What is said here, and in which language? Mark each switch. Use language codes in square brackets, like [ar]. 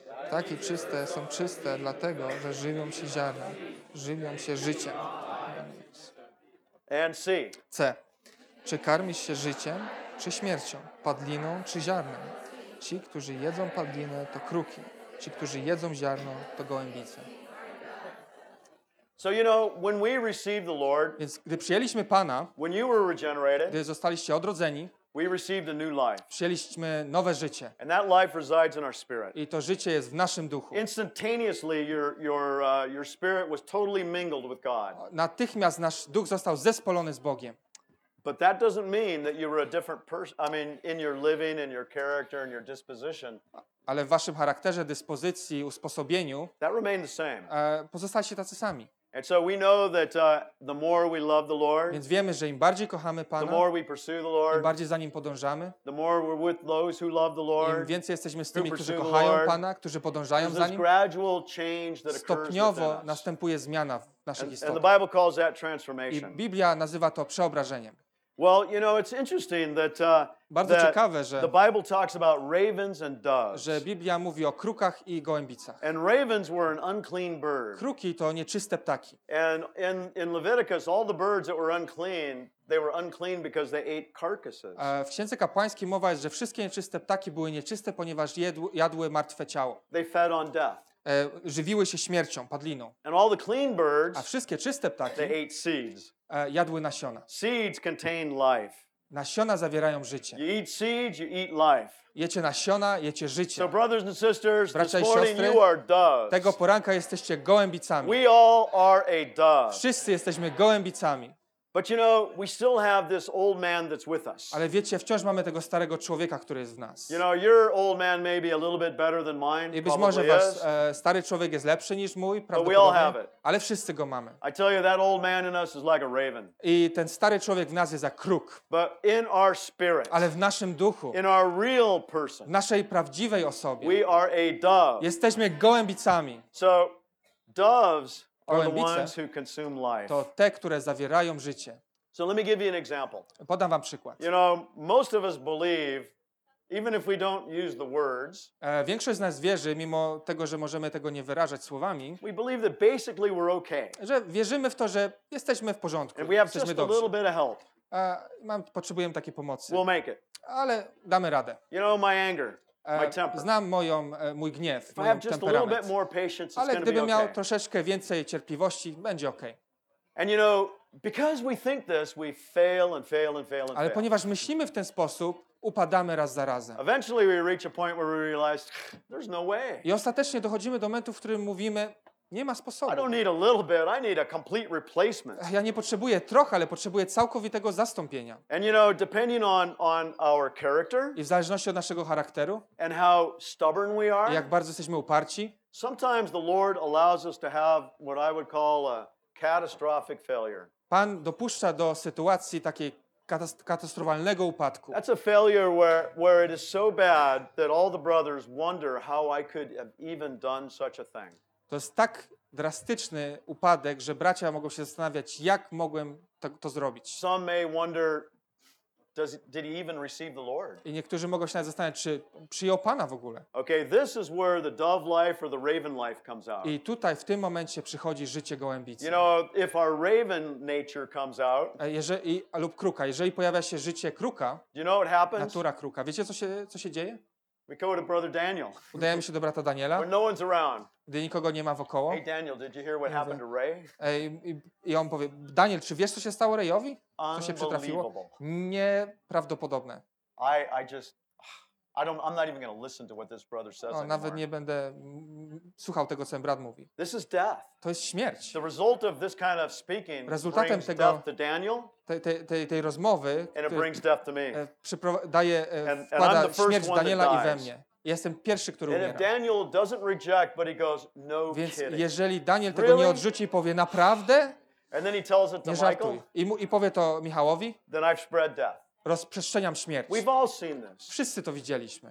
[pl] Takie czyste są czyste, dlatego, że żywią się ziarnem. Żywią się życiem. [en] And C. [pl] C. Czy karmisz się życiem? Czy śmiercią, padliną, czy ziarnem. Ci, którzy jedzą padlinę, to kruki. Ci, którzy jedzą ziarno, to gołębice. [en] So, you know, when we received the Lord, [pl] więc gdy przyjęliśmy Pana, [en] when you were regenerated, [pl] gdy zostaliście odrodzeni, [en] we received a new life. [pl] Przyjęliśmy nowe życie. [en] And that life resides in our spirit. [pl] I to życie jest w naszym duchu. [en] Instantaneously your spirit was totally mingled with God. [pl] Natychmiast nasz duch został zespolony z Bogiem. [en] But that doesn't mean that you were a different person. I mean, in your living, in your character, in your disposition. [pl] Ale w waszym charakterze, dyspozycji, usposobieniu. [en] That remained the same. [pl] Pozostaliście tacy sami. [en] And so we know that the more we love the Lord. [pl] Więc wiemy, że im bardziej kochamy Pana. [en] The more we pursue the Lord. [pl] Im bardziej za nim podążamy. [en] The more we're with those who love the Lord. [pl] Im więcej jesteśmy z tymi, którzy kochają Pana, którzy podążają za nim. [en] Gradual change that occurs. [pl] Stopniowo następuje zmiana w naszej historii. [en] And the Bible calls that transformation. [pl] I Biblia nazywa to przeobrażeniem. [en] Well, you know, it's interesting that the Bible talks about ravens and doves. [pl] Że Biblia mówi o krukach i gołębicach. [en] And ravens were an unclean bird. [pl] Kruki to nieczyste ptaki. [en] And in Leviticus, all the birds that were unclean, they were unclean because they ate carcasses. [pl] W Księdze Kapłańskiej mowa jest, że wszystkie nieczyste ptaki były nieczyste, ponieważ jadły martwe ciało. [en] They fed on death. [pl] Żywiły się śmiercią, padliną. [en] And all the clean birds, [pl] a wszystkie czyste ptaki, [en] they ate seeds. [pl] Jadły nasiona. [en] Seeds contain life. [pl] Nasiona zawierają życie. [en] You eat seeds, you eat life. [pl] Jecie nasiona, jecie życie. [en] So brothers and sisters, [pl] bracia [en] this morning, [pl] i siostry, [en] you are doves. [pl] Tego poranka jesteście gołębicami. [en] We all are a dove. [pl] Wszyscy jesteśmy gołębicami. [en] But you know, we still have this old man that's with us. [pl] Ale wiecie, wciąż mamy tego starego człowieka, który jest w nas. [en] You know, your old man may be a little bit better than mine. [pl] I być może wasz stary człowiek jest lepszy niż mój, prawdopodobnie. [en] But we all have it. [pl] Ale wszyscy go mamy. [en] I tell you, that old man in us is like a raven. [pl] I ten stary człowiek w nas jest jak kruk. [en] But in our spirit. [pl] Ale w naszym duchu. [en] In our real person. [pl] W naszej prawdziwej osobie. [en] We are a dove. [pl] Jesteśmy gołębicami. [en] So, doves. Are the ones who consume life. [pl] To te, które zawierają życie. [en] So let me give you an example. [pl] Podam wam przykład. [en] You know, most of us believe Even if we don't use the words, [pl] większość z nas wierzy, mimo tego, że możemy tego nie wyrażać słowami, [en] we believe that basically we're okay. [pl] Że wierzymy w to, że jesteśmy w porządku. [en] And we have just [pl] dobrze. [en] A little bit of help. [pl] Potrzebujemy takiej pomocy. [en] We'll make it. [pl] Ale damy radę. [en] You know, my anger, my temper. [pl] Znam moją, mój gniew, [en] if I have just [pl] temperament. [en] A little bit more patience, [pl] ale gdybym miał [en] okay. [pl] Troszeczkę więcej cierpliwości, będzie okej. [en] Okay. And you know, because we think this, we fail and fail and fail and fail. [pl] Ale ponieważ myślimy w ten sposób, upadamy raz za razem. [en] Eventually we reach a point where we realize there's no way. [pl] I ostatecznie dochodzimy do momentu, w którym mówimy, nie ma sposobu. [en] I don't need a little bit, I need a complete replacement. [pl] Ja nie potrzebuję trochę, ale potrzebuję całkowitego zastąpienia. [en] And you know, depending on our character, [pl] i w zależności od naszego charakteru, [en] and how stubborn we are, [pl] jak bardzo jesteśmy uparci, [en] sometimes the Lord allows us to have what I would call a catastrophic failure. [pl] Pan dopuszcza do sytuacji takiej katastrofalnego upadku. [en] That's a failure where it is so bad that all the brothers wonder how I could have even done such a thing. [pl] To jest tak drastyczny upadek, że bracia mogą się zastanawiać, jak mogłem to zrobić. [en] Some may wonder, did he even receive the Lord? [pl] I niektórzy mogą się nawet zastanawiać, czy przyjął Pana w ogóle. [en] Okay, this is where the dove life or the raven life comes out. [pl] I tutaj w tym momencie przychodzi życie gołębicy. [en] You know, if our raven nature comes out. [pl] Lub kruka, jeżeli pojawia się życie kruka. [en] You know what happens? [pl] Natura kruka. Wiecie co się dzieje? [en] We go to brother Daniel. [pl] Udajemy się do brata Daniela. [en] When no one's around. [pl] Gdy nikogo nie ma wokoło. [en] Hey Daniel, did you hear what happened to Ray? [pl] I on powie, Daniel, czy wiesz, co się stało Rayowi? Co się przytrafiło? Nieprawdopodobne. [en] I'm not even going to listen to what this brother says. [pl] Nawet nie będę słuchał tego, co ten brat mówi. [en] This is death. [pl] To jest śmierć. [en] The result of this kind of speaking [pl] rezultatem [en] brings [pl] tego, [en] death to Daniel. [pl] Tej rozmowy, [en] and it brings death to me. [pl] Wkłada śmierć Daniela i we mnie. Jestem pierwszy, który umiera. [en] And if Daniel doesn't reject, but he goes, no kidding. [pl] Więc jeżeli Daniel tego nie odrzuci i powie, naprawdę? [en] And then he tells it to [pl] nie żartuj. [en] Michael. [pl] I powie to Michałowi. [en] Then I've spread death. [pl] Rozprzestrzeniam śmierć. [en] We've all seen this. [pl] Wszyscy to widzieliśmy.